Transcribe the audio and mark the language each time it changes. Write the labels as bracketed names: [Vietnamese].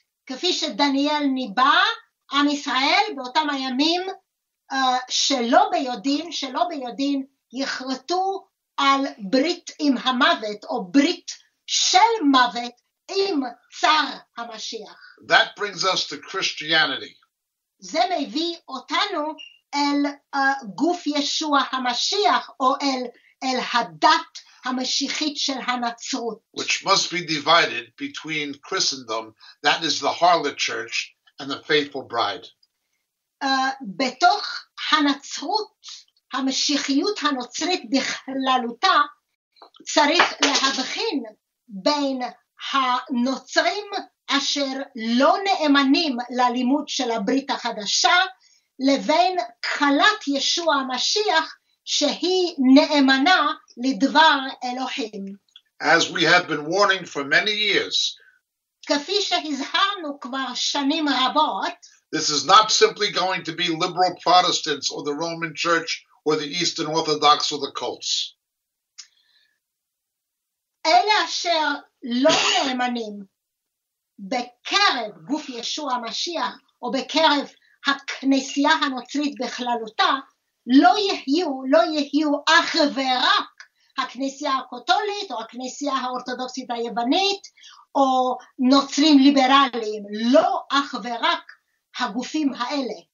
[Hebrew] כפי שדניאל ניבא, עם ישראל באותם הימים שלא ביודעים, יחרטו על ברית עם המוות, או ברית של מוות עם צר המשיח. [English] That brings us to Christianity. [Hebrew] זה מביא אותנו אל גוף ישוע המשיח, או אל הדת המשיחית של הנצרות. [English] Which must be divided between Christendom, that is the harlot church, and the faithful bride. [Hebrew] בתוך הנצרות, המשיחיות הנוצרית בכללותה, צריך להבחין בין הנוצרים אשר לא נאמנים ללימוד של הברית החדשה, לבין קלת ישוע המשיח שהיא נאמנה לדבר אלוהים. [English] As we have been warning for many years, [Hebrew] כפי שהזהרנו כבר שנים רבות, [English] this is not simply going to be liberal Protestants or the Roman Church or the Eastern Orthodox or the cults. [Hebrew] אלה אשר לא נאמנים בקרב גוף ישוע המשיח או בקרב הכנסייה הנוצרית בכללותה, לא יהיו אך ורק הכנסייה הקתולית או הכנסייה האורתודוקסית היוונית או נוצרים ליברליים, לא אך ורק הגופים האלה.